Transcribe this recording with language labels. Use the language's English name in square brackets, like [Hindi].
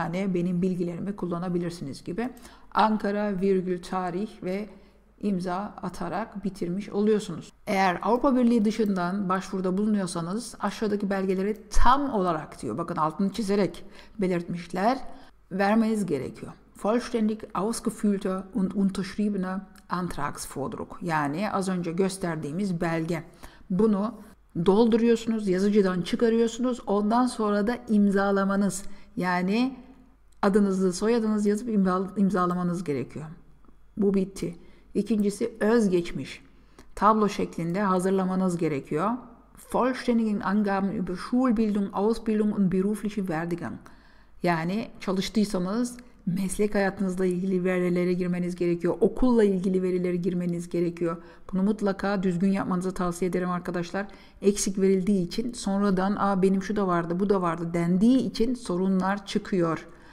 [Turkish] Yani benim bilgilerimi kullanabilirsiniz gibi. Ankara, virgül, tarih ve imza atarak bitirmiş oluyorsunuz. Eğer Avrupa Birliği dışından başvuruda bulunuyorsanız aşağıdaki belgeleri tam olarak diyor. Bakın altını çizerek belirtmişler. Vermeniz gerekiyor. [German] Vollständig ausgefüllte und unterschriebene Antragsvordruck. [Turkish] Yani az önce gösterdiğimiz belge. Bunu dolduruyorsunuz, yazıcıdan çıkarıyorsunuz. Ondan sonra da imzalamanız. Yani adınızı, soyadınızı yazıp imzalamanız gerekiyor. Bu bitti. İkincisi özgeçmiş. Tablo şeklinde hazırlamanız gerekiyor. [German] Vollständigen Angaben über Schulbildung, Ausbildung und berufliche Werdegang. [Turkish] Yani çalıştıysanız meslek hayatınızla ilgili verilere girmeniz gerekiyor. Okulla ilgili verilere girmeniz gerekiyor. Bunu mutlaka düzgün yapmanızı tavsiye ederim arkadaşlar. Eksik verildiği için sonradan benim şu da vardı, bu da vardı dendiği için sorunlar çıkıyor.